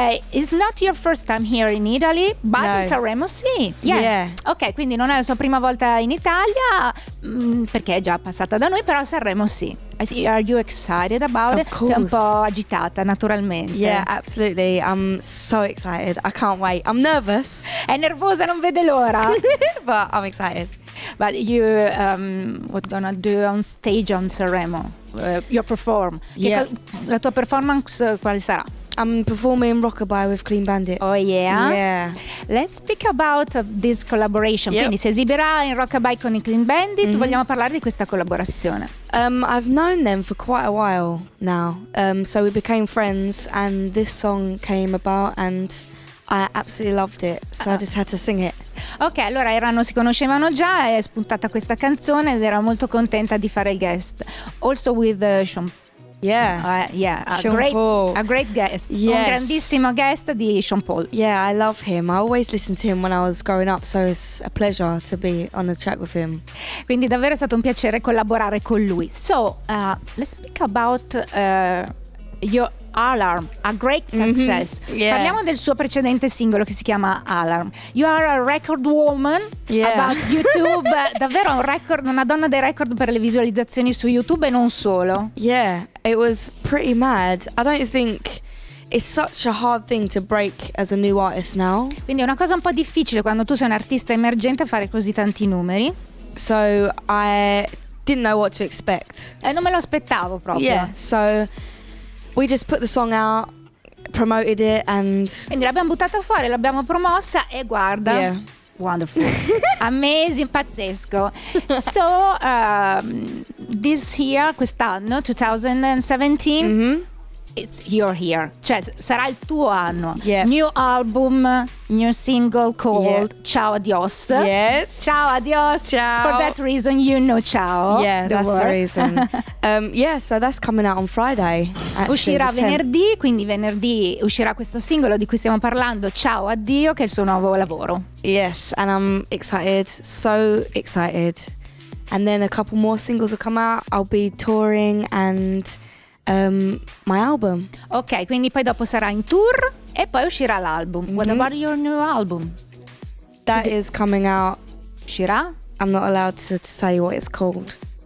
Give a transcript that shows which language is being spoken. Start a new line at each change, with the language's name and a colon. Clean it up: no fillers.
English: It's not your first time here in Italy, but no.
Italian: In Sanremo sì.
English: Yeah. Yeah.
Italian: Ok, quindi non è la sua prima volta in Italia, perché è già passata da noi, però a Sanremo sì.
English: Are you excited about it? Of course.
Italian: Sei un po' agitata, naturalmente.
English: Yeah, absolutely. I'm so excited. I can't wait. I'm nervous.
Italian: È nervosa, non vede l'ora.
English: But I'm excited. But you, what gonna do on stage on Sanremo? Your perform. Yeah.
Italian: La tua performance quale sarà?
English: I'm performing Rockabye with Clean Bandit. Oh yeah? Yeah. Let's speak about this collaboration. Yep.
Italian: Quindi si esibirà in Rockabye con i Clean Bandit. Mm-hmm. Vogliamo parlare di questa collaborazione.
English: I've known them for quite a while now. So we became friends and this song came about and I absolutely loved it, so I just had to sing it.
Italian: Ok, allora erano, si conoscevano già, è spuntata questa canzone ed era molto contenta di fare il guest.
English: Also with Sean. Yeah, yeah, a great guest. Yes.
Italian: Un grandissimo guest di Sean Paul.
English: Yeah, I love him. I always listened to him when I was growing up, so it's a pleasure to be on the track with him.
Italian: Quindi davvero è stato un piacere collaborare con lui.
English: So, let's speak about your Alarm, a great success. Mm-hmm. Yeah.
Italian: Parliamo del suo precedente singolo che si chiama Alarm.
English: You are a record woman. Yeah. About YouTube.
Italian: Davvero un record, una donna dei record per le visualizzazioni su YouTube e non solo.
English: Yeah, it was pretty mad. I don't think it's such a hard thing to break as a new artist now.
Italian: Quindi è una cosa un po' difficile quando tu sei un artista emergente a fare così tanti numeri.
English: So I didn't know what to expect.
Italian: Non me lo aspettavo proprio.
English: Yeah, so we just put the song out, promoted it, and
Italian: quindi l'abbiamo buttata fuori, l'abbiamo promossa e guarda.
English: Yeah. Wonderful. Amazing, pazzesco. So, this year,
Italian: quest'anno,
English: 2017, mm-hmm. It's your year.
Italian: Cioè, sarà il tuo anno.
English: Yeah. New album, new single called yeah. Ciao Adios. Yes. Ciao Adios.
Italian: Ciao.
English: For that reason, you know ciao. Yeah, the that's word. The reason. yeah, so that's coming out on Friday. Actually,
Italian: uscirà venerdì, quindi venerdì uscirà questo singolo di cui stiamo parlando, Ciao Addio, che è il suo nuovo lavoro.
English: Yes, and I'm excited, so excited. And then a couple more singles will come out. I'll be touring and my album.
Italian: Ok, quindi poi dopo sarà in tour e poi uscirà l'album.
English: Mm-hmm. What about your new album? That is coming out.
Italian: Uscirà?
English: I'm not allowed to say what it's called.